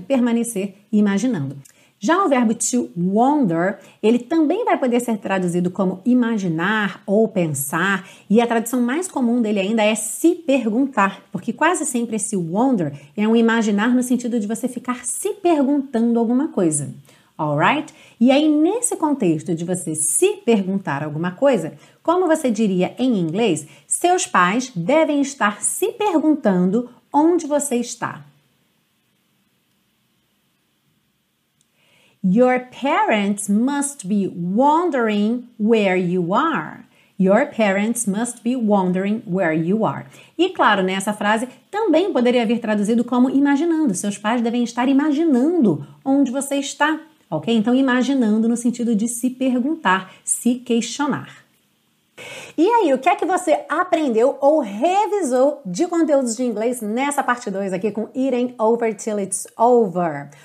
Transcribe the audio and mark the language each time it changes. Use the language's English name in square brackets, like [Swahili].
[Portuguese] Permanecer imaginando. Já o verbo to wander, ele também vai poder ser traduzido como imaginar ou pensar, e a tradução mais comum dele ainda é se perguntar, porque quase sempre esse wander é um imaginar no sentido de você ficar se perguntando alguma coisa, alright? E aí, nesse contexto de você se perguntar alguma coisa, como você diria em inglês, seus pais devem estar se perguntando onde você está. [English] Your parents must be wondering where you are. Your parents must be wondering where you are. [Portuguese] E claro, nessa frase também poderia vir traduzido como imaginando. Seus pais devem estar imaginando onde você está, ok? Então, imaginando no sentido de se perguntar, se questionar. E aí, o que é que você aprendeu ou revisou de conteúdos de inglês nessa parte 2 aqui com Eating Over Till It's Over?